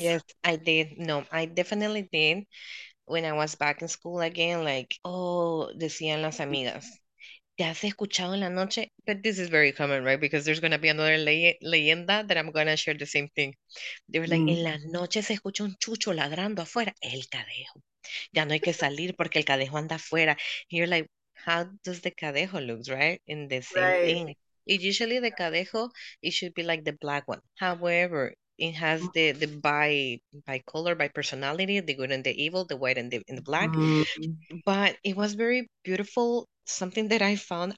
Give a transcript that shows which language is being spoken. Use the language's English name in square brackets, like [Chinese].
[English] Yes, I did. No, I definitely did. When I was back in school again, like, oh, [Spanish] decían las amigas, ¿te has escuchado en la noche? [English] But this is very common, right? Because there's going to be another le leyenda that I'm going to share the same thing. They were like, [Spanish] en la noche se escucha un chucho ladrando afuera, el cadejo. Ya no hay que salir porque el cadejo anda afuera. [English] And you're like, how does the cadejo looks, right? And the same Right. thing. Usually the cadejo, it should be like the black one. However, it has the by color, by personality, the good and the evil, the white and the black. But it was very beautiful, something that I found.